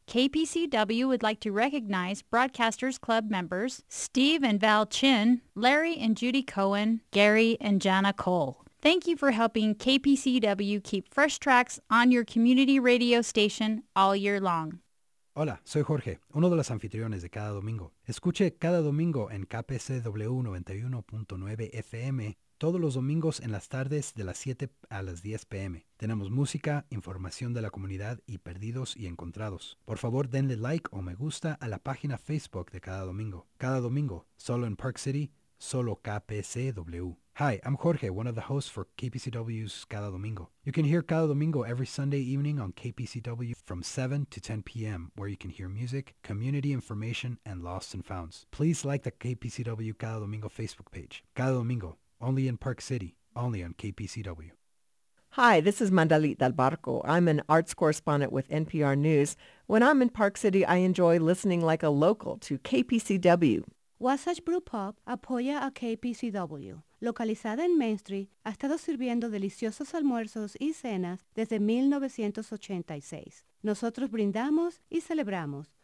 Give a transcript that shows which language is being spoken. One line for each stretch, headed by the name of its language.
English: KPCW would like to recognize Broadcasters Club members Steve and Val Chin, Larry and Judy Cohen, Gary and Jana Cole. Thank you for helping KPCW keep fresh tracks on your community radio station all year long.
Spanish: Hola, soy Jorge, uno de los anfitriones de Cada Domingo. Escuche Cada Domingo en KPCW 91.9 FM. Todos los domingos en las tardes de las 7 a las 10 p.m. Tenemos música, información de la comunidad y perdidos y encontrados. Por favor, denle like o me gusta a la página Facebook de Cada Domingo. Cada domingo, solo en Park City, solo KPCW.
English: Hi, I'm Jorge, one of the hosts for KPCW's Cada Domingo. You can hear Cada Domingo every Sunday evening on KPCW from 7 to 10 p.m., where you can hear music, community information, and lost and founds. Please like the KPCW Cada Domingo Facebook page. Cada Domingo. Only in Park City, only on KPCW. Hi, this is Mandalit Del Barco. I'm an arts correspondent with NPR News. When I'm in Park City, I enjoy listening like a local to KPCW.
Spanish: Wasatch Brew Pub apoya a KPCW. Localizada en Main Street, ha estado sirviendo deliciosos almuerzos y cenas desde 1986. Nosotros brindamos y celebramos.